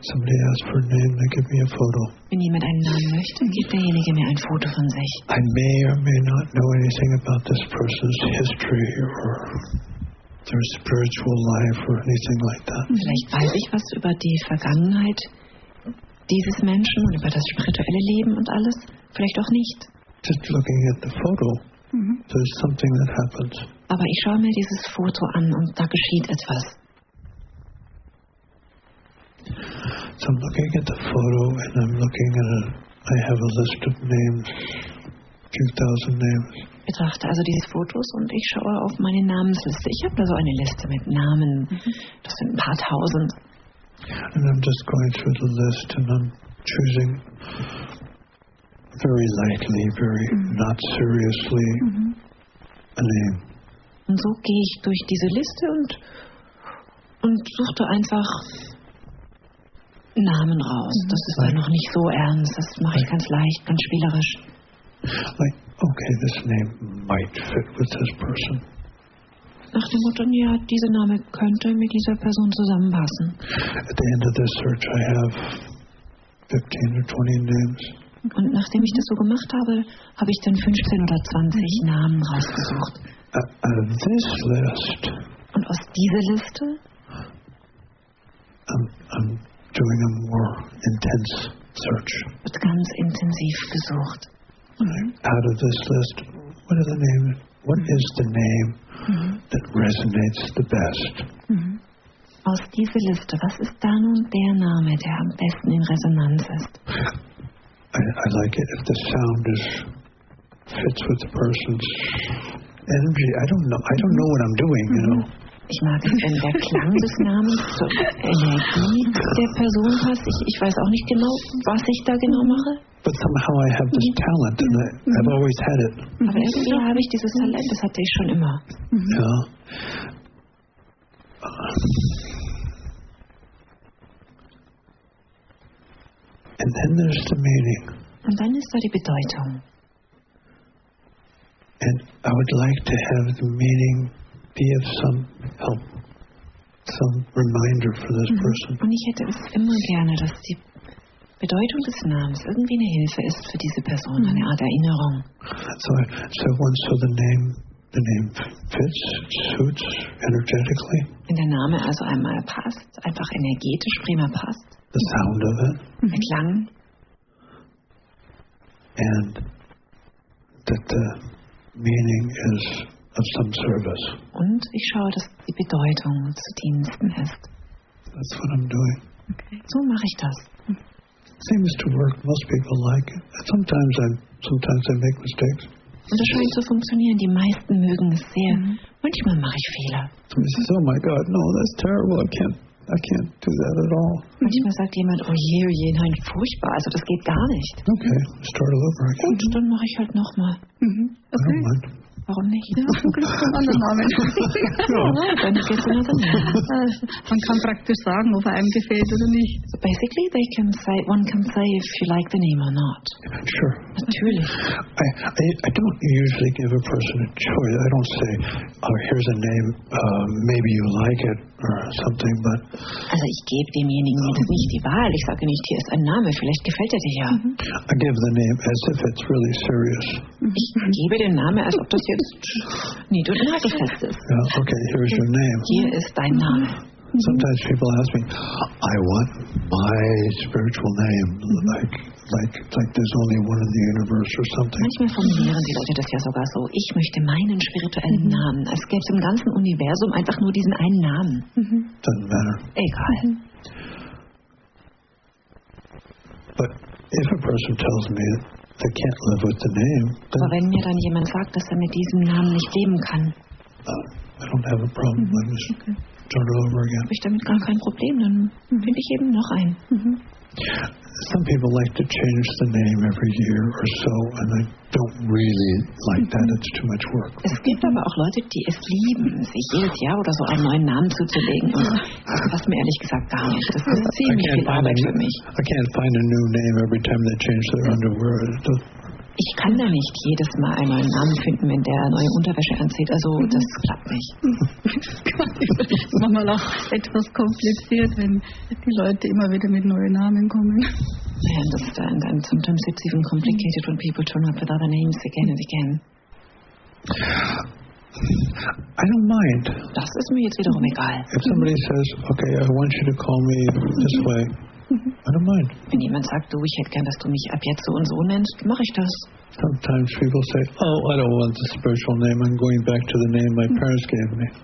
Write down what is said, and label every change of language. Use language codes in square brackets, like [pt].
[en] Somebody asks for a name, they give me a photo. [de] Wenn jemand einen Namen möchte, gibt derjenige mir ein Foto von sich. [en] I may or may not know anything about this person's history or their spiritual life or anything like that. [de] Vielleicht weiß ich was über die Vergangenheit dieses Menschen und über das spirituelle Leben und alles. Vielleicht auch nicht. [en] Just looking at the photo, there's something that happens. [de] Aber ich schaue mir dieses Foto an und da geschieht etwas. [en] So I'm looking at the photo and I'm looking at I have a list of names, a few thousand names. [de] Ich betrachte also diese Fotos und ich schaue auf meine Namensliste. Ich habe da so eine Liste mit Namen. Das sind ein paar tausend. [en] And I'm just going through the list and I'm choosing very lightly, very not seriously [de] erleben. Und so gehe ich durch diese Liste und suchte einfach Namen raus. Mm-hmm. Das ist ja noch nicht so ernst. Das mache ich ganz leicht, ganz spielerisch. [en] Like, okay, this name might fit with this person. [de] Nach dem Motto, ja, dieser Name könnte mit dieser Person zusammenpassen. [en] At the end of this search I have 15 or 20 names. [de] Und nachdem ich das so gemacht habe, habe ich dann 15 oder 20 Namen rausgesucht. [en] This list. [de] Und aus dieser Liste? [en] I'm doing a more intense search. [de] Wird ganz intensiv gesucht. [en] Out of this list, what are the names? What is the name that resonates the best? Mm-hmm. [de] Aus dieser Liste, was ist da nun der Name, der am besten in Resonanz ist? [en] I like it if the sound is fits with the person's energy. I don't know what I'm doing, you know. [de] Ich mag es, wenn der Klang des Namens zur Energie der Person passt. Ich weiß auch nicht genau, was ich da genau mache. [en] But somehow I have this talent, and I've always had it. [de] Aber irgendwie habe ich dieses Talent, das hatte ich schon immer. Ja. [en] And then there's the meaning. [de] Und dann ist da die Bedeutung. [en] And I would like to have the meaning be of some help, some reminder for this person. [de] Und ich hätte es immer gerne, dass die Bedeutung des Namens irgendwie eine Hilfe ist für diese Person, eine Art Erinnerung. [en] So the name fits, suits energetically. [de] Wenn der Name also einmal passt, einfach energetisch prima passt. [en] The sound of it. [de] Der Klang. [en] And that the meaning is of some service. [de] Und ich schaue, dass die Bedeutung zu Diensten ist. [en] That's what I'm doing. [de] Okay. So mache ich das. [en] Seems to work. Most people like it. Sometimes I make mistakes. [de] Und das scheint zu funktionieren. Die meisten mögen es sehr. Mm-hmm. Manchmal mache ich Fehler. [en] Somebody says, oh my God, no, that's terrible. I can't do that at all. [de] Manchmal sagt jemand, oh je, nein, furchtbar. Also das geht gar nicht. [en] Okay, start all over again. [de] Und dann mache ich halt nochmal. [en] Mm-hmm. Okay. I don't mind. [de] Warum nicht? Andere Namen. Dann geht es nicht. Man kann praktisch sagen, ob er einem gefällt oder nicht. [en] So basically, they can say, one can say if you like the name or not. Sure. [de] Natürlich. [en] I don't usually give a person a choice. I don't say, oh, here's a name, maybe you like it or something, but... [de] Also ich gebe demjenigen nicht die Wahl. Ich sage nicht, hier ist ein Name, vielleicht gefällt er dir ja. [en] I give the name as if it's really serious. [de] Ich gebe den Namen, als ob das jetzt nicht oder nicht gefällt ist. [en] Yeah, okay, here's your name. [de] Hier ist dein Name. [en] Sometimes people ask me, I want my spiritual name, like there's only one in the universe or something. [de] Manchmal formulieren die Leute das ja sogar so, ich möchte meinen spirituellen Namen, es gäbe im ganzen Universum einfach nur diesen einen Namen. [en] Doesn't matter. [de] Egal. [en] But if a person tells me they can't live with the name, then... [de] Aber wenn mir dann jemand sagt, dass mit diesem Namen nicht leben kann, [en] I don't have a problem with it. Start all over again. [de] Habe ich damit gar kein Problem, dann finde ich eben noch einen. [en] Some people like to change the name every year or so, and I don't really like that. It's too much work. [de] Es gibt aber auch Leute, die es lieben, sich jedes Jahr oder so einen neuen Namen zuzulegen. Und das passt mir ehrlich gesagt gar nicht. Das ist ziemlich viel Arbeit für mich. [en] I can't find a new name every time they change their underwear. [de] Ich kann da nicht jedes Mal einen neuen Namen finden, wenn der neue Unterwäsche anzieht. Also, das klappt nicht. Das ist manchmal auch etwas kompliziert, wenn die Leute immer wieder mit neuen Namen kommen. Ja, das ist dann [en] sometimes it's even complicated when people turn up with other names again and again. I don't mind. [de] Das ist mir jetzt wiederum egal. [en] If somebody says, okay, I want you to call me this way. I don't mind. [de] Wenn jemand sagt, du, ich hätte gern, dass du mich ab jetzt so und so nennst, mache ich das. [en] Sometimes people say, oh, I don't want the spiritual name. I'm going back to the name my parents gave me.